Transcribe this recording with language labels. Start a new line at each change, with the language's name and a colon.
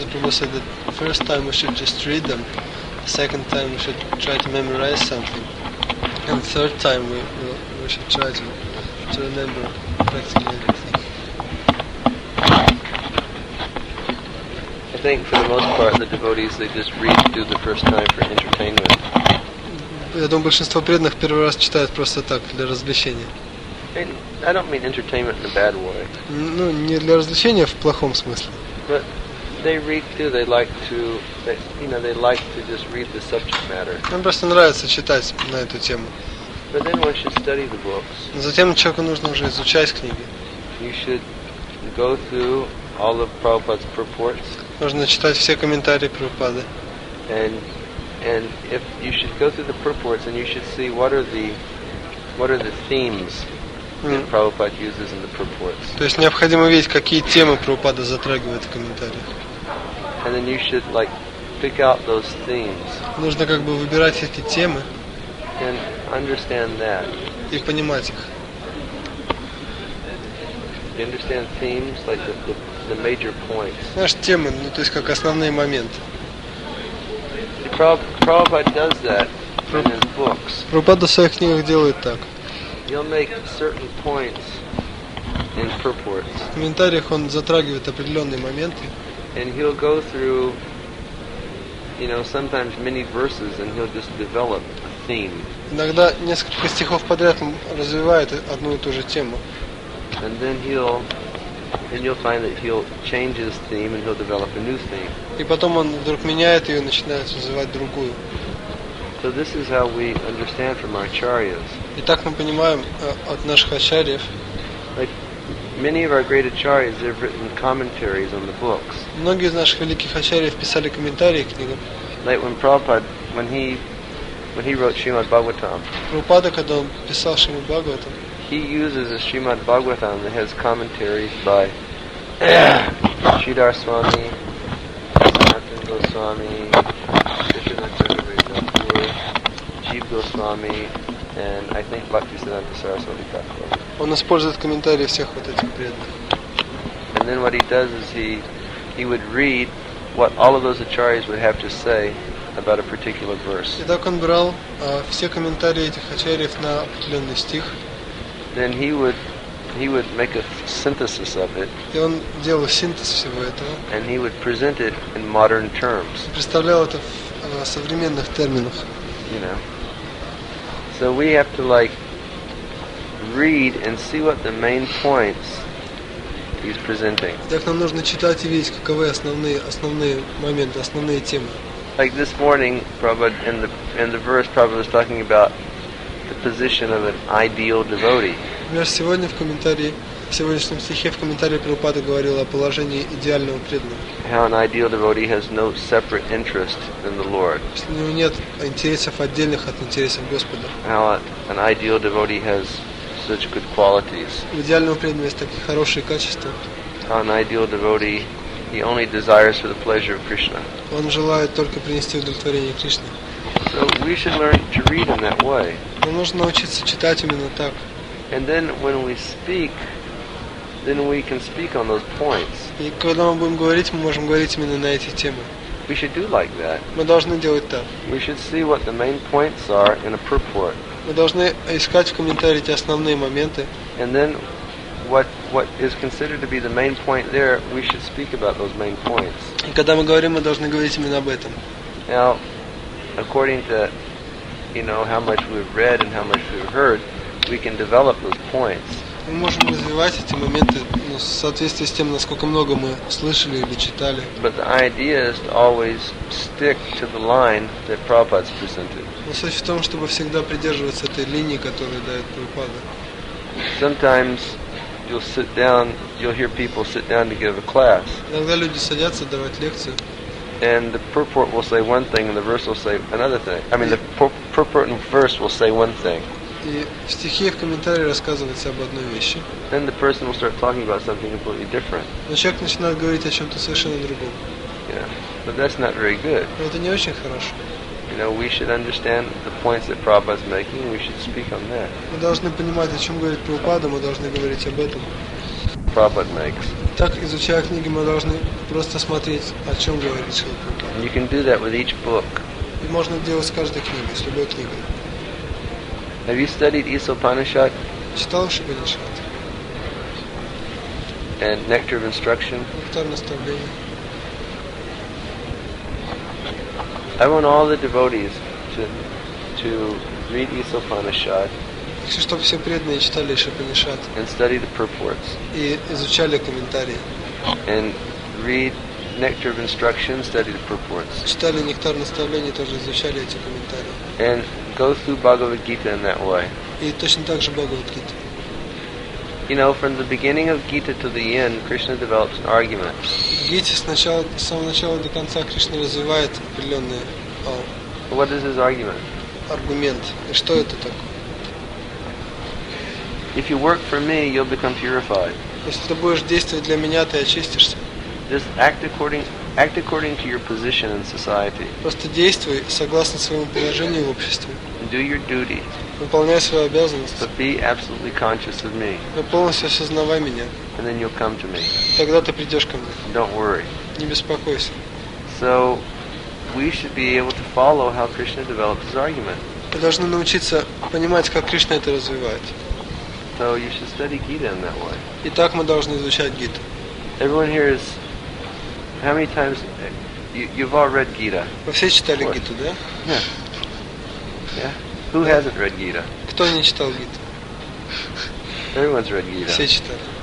English: So the first time we should just read them, the second time we should try to memorize something, and the third time we should try to remember practically everything. I think for the most part the devotees, they just read to do the first time for entertainment.
Russian: Я думаю, большинство преданных первый раз читают просто так, для развлечения.
English: I don't mean entertainment in a bad way.
Russian: Ну, не для развлечения в плохом смысле.
English: They read too. They like to, you know, they like to just read the subject matter.
Russian: Им просто нравится читать на эту тему.
English: But then one should study the books.
Russian: Но затем человеку нужно уже изучать книги.
English: You should go through all of Prabhupada's purports.
Russian: Нужно читать все комментарии Прабхупады.
English: And if you should go through the purports, and you should see what are the themes. Prabhupada uses in the purports.
Russian: То есть необходимо видеть, какие темы Прабхупада затрагивает в комментариях.
English: And then you should like pick out those themes.
Russian: Нужно как бы выбирать эти темы.
English: And understand that.
Russian: И понимать их.
English: You understand themes like the major points.
Russian: Знаешь, темы, ну то есть как основные моменты.
English: Prabhupada does that in his books.
Russian: Прабхупада в своих книгах делает так.
English: He'll make certain points in purports.
Russian: В комментариях он затрагивает определенные моменты.
English: And he'll go through, you know, sometimes many verses, and he'll just develop a theme.
Russian: Иногда несколько стихов подряд он развивает одну и ту же тему.
English: And then you'll find that he'll change his theme, and he'll develop a new theme.
Russian: И потом он вдруг меняет ее и начинает развивать другую.
English: So this is how we understand from our acharyas.
Russian: И так мы понимаем от наших ачарьев.
English: Like many of our great acharyas, they've written commentaries on the books.
Russian: Многие из наших великих ачарьев писали комментарии к книгам.
English: Like when Prabhupada, when he wrote Srimad Bhagavatam.
Russian: Прабхупада, когда он писал Шримад Бхагаватам.
English: He uses a Srimad Bhagavatam that has commentaries by Sridhar Swami, Sanatana Goswami, Goswami, and I think Bhaktisiddhanta Saraswati Thakur.
Russian: Он использует комментарии всех вот этих преданных.
English: And then what he does is he would read what all of those acharyas would have to say about a particular verse.
Russian: И так он брал все комментарии этих ачарьев на определенный стих.
English: Then he would make a synthesis of it.
Russian: И он делал синтез всего этого.
English: And he would present it in modern terms.
Russian: Представлял это в современных терминах.
English: You know. So we have to like read and see what the main points he's presenting.
Russian: Так нам нужно читать и видеть, каковы основные моменты, основные темы.
English: Like this morning, Prabhupada in the verse, Prabhupada was talking about the position of an ideal devotee.
Russian: Например, сегодня в комментарии, в сегодняшнем стихе в комментарии Прабхупада говорил о положении идеального преданного.
English: How an ideal devotee has no separate interest in the Lord.
Russian: Что у него нет интересов отдельных от интересов Господа.
English: How an ideal devotee has such good qualities.
Russian: У идеального преданного есть такие хорошие качества.
English: How an ideal devotee, he only desires for the pleasure of Krishna.
Russian: Он желает только принести удовлетворение Кришне.
English: So we should learn to read in that way.
Russian: Нам нужно научиться читать именно так.
English: And then when we speak, then we can speak on those points.
Russian: И когда мы будем говорить, мы можем говорить именно на эти темы.
English: We should do like that.
Russian: Мы должны делать так.
English: We should see what the main points are in a purport.
Russian: Мы должны искать в комментарии эти основные моменты.
English: And then what is considered to be the main point there, we should speak about those main points.
Russian: И когда мы говорим, мы должны говорить именно об этом.
English: Now, according to, you know, how much we've read and how much we've heard, we can develop those points.
Russian: Мы можем развивать эти моменты, но в соответствии с тем, насколько много мы слышали или читали.
English: But the idea is to always stick to the line that Prabhupada's presented.
Russian: Но суть в том, чтобы всегда придерживаться этой линии, которую дает Прабхупада.
English: Sometimes you'll sit down, you'll hear people sit down to give a class.
Russian: Иногда люди садятся давать лекцию.
English: And the purport will say one thing, and the verse will say another thing. I mean, the purport and verse will say one thing.
Russian: И в стихе, в комментарии рассказывается об одной вещи.
English: Then the person will start talking about something completely different.
Russian: Но человек начинает говорить о чем-то совершенно другом.
English: Yeah, but that's not very good.
Russian: Но это не очень хорошо.
English: You know, we should understand the points that Prabhupada is making. We should speak on that.
Russian: Мы должны понимать, о чем говорит Прабхупада, мы должны говорить об этом.
English: Prabhupada makes.
Russian: Так, изучая книги, мы должны просто смотреть, о чем говорит Шрила Прабхупада.
English: You can do that with each book.
Russian: И можно делать с каждой книгой, с любой книгой.
English: Have you studied Isopanishad?
Russian: Читал Шупанишад.
English: And Nectar of Instruction?
Russian: Нектар наставления.
English: I want all the devotees to read Isopanishad.
Russian: Хочу, чтобы все преданные читали Шупанишад.
English: And study the purports.
Russian: И изучали комментарии.
English: And read Nectar of Instruction, study the purports.
Russian: Читали Нектар наставления, тоже изучали эти комментарии.
English: And go through Bhagavad Gita in that way.
Russian: И точно так же Bhagavad Gita.
English: You know, from the beginning of Gita to the end, Krishna develops an argument.
Russian: Гите с самого начала до конца Кришна развивает определенные.
English: What is his argument?
Russian: Аргумент. И что это такое?
English: If you work for me, you'll become purified.
Russian: Если ты будешь действовать для меня, ты очистишься.
English: Just act according to your position in society.
Russian: Просто действуй согласно своему положению в обществе.
English: Do your duty.
Russian: Выполняй свою обязанность.
English: But be absolutely conscious of me.
Russian: Но полностью осознавай меня.
English: And then you'll come to me.
Russian: Тогда ты придешь ко мне.
English: Don't worry.
Russian: Не беспокойся.
English: So we should be able to follow how Krishna develops his argument.
Russian: Мы должны научиться понимать, как Кришна это развивает.
English: So you should study Gita in that way.
Russian: Итак, мы должны изучать Гиту.
English: Everyone here is. How many times you've all read Gita?
Russian: Вы все читали Гиту, да?
English: Yeah. Who hasn't read Gita?
Russian: Кто не читал Гиту?
English: Everyone's read Gita.
Russian: Все читали.